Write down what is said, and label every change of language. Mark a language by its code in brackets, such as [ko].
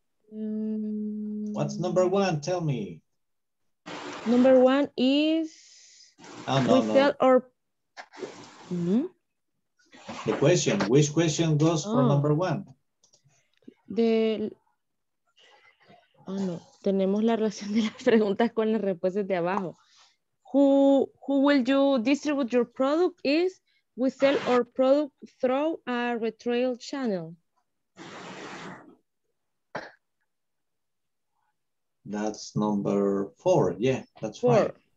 [en] What's number one? Tell me. Number one is sell or The question, which question goes for number one? [es] Tenemos la relación de las preguntas con las respuestas de abajo. [en] who will you distribute your product is, we sell our product through a retail channel. That's number four. Yeah, that's four.